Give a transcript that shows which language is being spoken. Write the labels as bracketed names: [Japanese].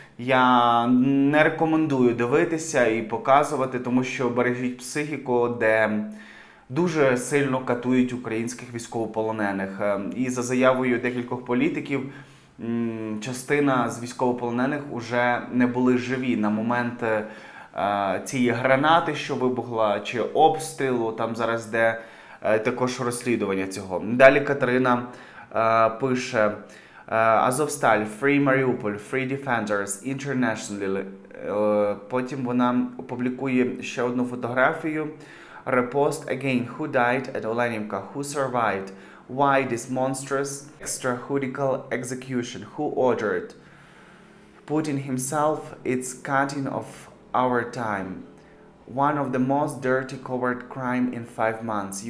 [Ukrainian] Я не рекомендую дивитися і показувати, тому що бережіть психіку, де дуже сильно катують українських військовополонених. І за заявою декількох політиків, частина з військовополонених уже не були живі на момент цієї гранати, що вибухла, чи обстрілу. Там зараз де також розслідування цього. Далі Катерина пише: «Азовсталь, [English] Free Mariupol, Free Defenders, Internationally». [Ukrainian] Потім вона опублікує ще одну фотографію. [English] Repost again, who died at Olenivka? Who survived? Why this monstrous extrajudicial execution? Who ordered? Putin himself, it's cutting off our time. One of the most dirty covert crime in 5 months.